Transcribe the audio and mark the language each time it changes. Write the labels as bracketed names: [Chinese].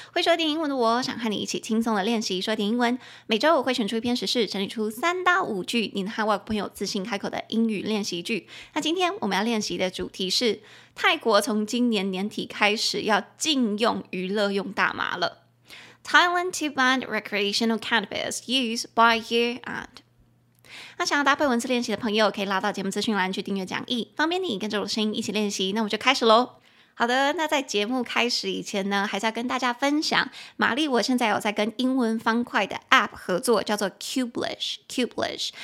[Chinese] 会说点英文的我想和你一起轻松的练习说点英文。每周我会选出一篇时事，整理出三到五句你和外国朋友自信开口的英语练习句。那今天我们要练习的主题是泰国从今年年底开始要禁用娱乐用大麻了。 [English] Thailand to ban recreational cannabis use by year end。 [Chinese] 那想要搭配文字练习的朋友可以拉到节目资讯栏去订阅讲义，方便你跟着我的声音一起练习。那我们就开始咯。好的，那在节目开始以前呢，还是要跟大家分享，玛丽我现在有在跟英文方块的 APP 合作，叫做 Cubelish。